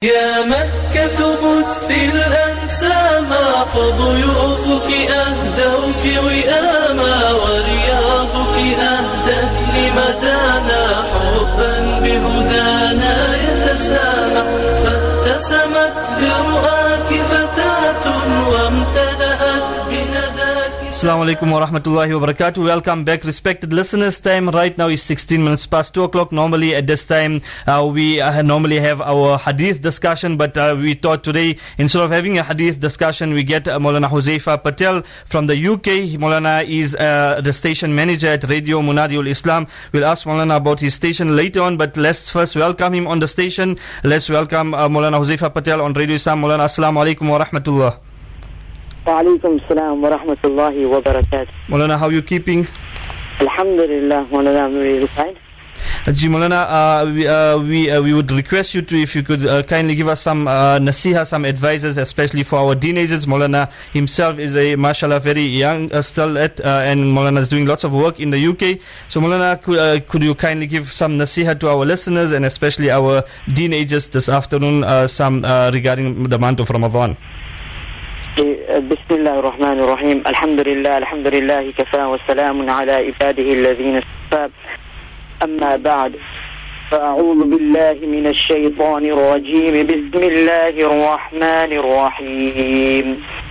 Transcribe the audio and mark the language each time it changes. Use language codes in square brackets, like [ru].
[ar] يا مكة بثي الأنسام فضيوفك أهدوك وئاما ورياضك أهدت لمدانا حبا بهدانا يتسامى فابتسمت برؤاك فتاة وامتلأت بنداك. السلام عليكم ورحمة الله وبركاته. [en] Welcome back, respected listeners. Time right now is 16 minutes past 2 o'clock. Normally at this time, we normally have our hadith discussion, but we thought today, instead of having a hadith discussion, we get Maulana Huzaifa Patel from the UK. Maulana is the station manager at Radio Munadiul Islam. We'll ask Maulana about his station later on, but let's first welcome him on the station. Let's welcome Maulana Huzaifa Patel on Radio Islam. Maulana, assalamu alaikum warahmatullah. [ar] وعليكم السلام ورحمة الله وبركاته. [en] مولانا, how are you keeping? [ar] الحمد لله مولانا, [en] I'm really fine. Ji Maulana, we would request you to, if you could kindly give us some nasiha, some advices, especially for our teenagers. Maulana himself is a mashallah very young and Maulana is doing lots of work in the UK. So Maulana, could you kindly give some nasiha to our listeners and especially our teenagers this afternoon, regarding the month of Ramadan? [ar] بسم الله الرحمن الرحيم. الحمد لله, الحمد لله كفى وسلام على عباده الذين اصطفى. أما بعد, فأعوذ بالله من الشيطان الرجيم. بسم الله الرحمن الرحيم.